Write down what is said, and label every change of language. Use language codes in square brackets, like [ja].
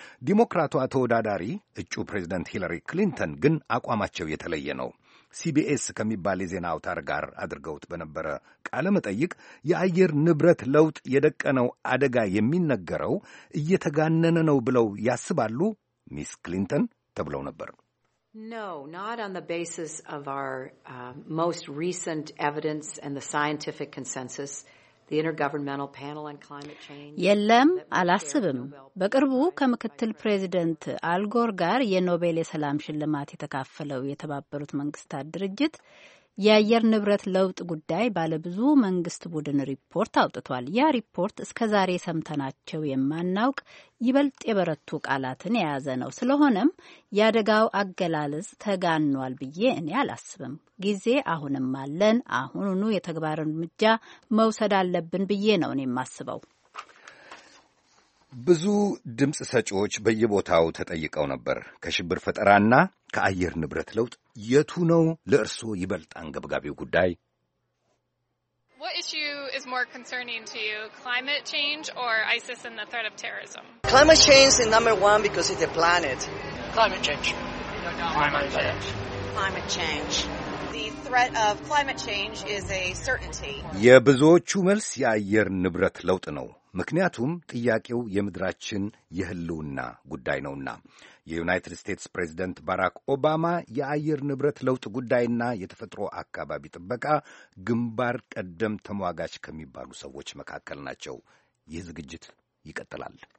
[am] ዲሞክራቷ ተወዳዳሪ እጩ ፕሬዚደንት ሂለሪ ክሊንተን ግን አቋማቸው የተለየ ነው። ሲቢኤስ ከሚባል የዜና አውታር ጋር አድርገውት በነበረ ቃለ መጠይቅ የአየር ንብረት ለውጥ የደቀነው አደጋ የሚነገረው እየተጋነነ ነው ብለው ያስባሉ ሚስ ክሊንተን ተብለው ነበር? [en] No, not on the basis of our most recent evidence and the scientific consensus. The Intergovernmental Panel on Climate Change. [am] የለም አላስብም። በቅርቡ ከምክትል ፕሬዚደንት አልጎር ጋር የኖቤል የሰላም ሽልማት የተካፈለው የተባበሩት መንግስታት ድርጅት የአየር ንብረት ለውጥ ጉዳይ ባለብዙ መንግስት ቡድን ሪፖርት አውጥቷል። ያ ሪፖርት እስከዛሬ ሰምተናቸው የማናውቅ ይበልጥ የበረቱ ቃላትን የያዘ ነው። ስለሆነም የአደጋው አገላለጽ ተጋኗል ብዬ እኔ አላስብም። ጊዜ አሁንም አለን። አሁኑኑ የተግባር እርምጃ መውሰድ አለብን ብዬ ነው እኔ የማስበው። ብዙ ድምፅ ሰጪዎች በየቦታው ተጠይቀው ነበር፣ ከሽብር ፈጠራና ከአየር ንብረት ለውጥ የቱ ነው ለእርስዎ ይበልጥ አንገብጋቢው ጉዳይ? [en] What issue is more concerning to you, climate change or ISIS and the threat of terrorism? Climate change is number one because it's a planet. Climate change. Threat of climate change is a certainty. [am] የብዙዎቹ መልስ የአየር ንብረት ለውጥ ነው። ምክንያቱም ጥያቄው የምድራችን የህልውና ጉዳይ ነውና። የዩናይትድ ስቴትስ ፕሬዚደንት ባራክ ኦባማ የአየር ንብረት ለውጥ ጉዳይና የተፈጥሮ አካባቢ ጥበቃ ግንባር ቀደም ተሟጋች ከሚባሉ ሰዎች መካከል ናቸው። ይህ ዝግጅት ይቀጥላል።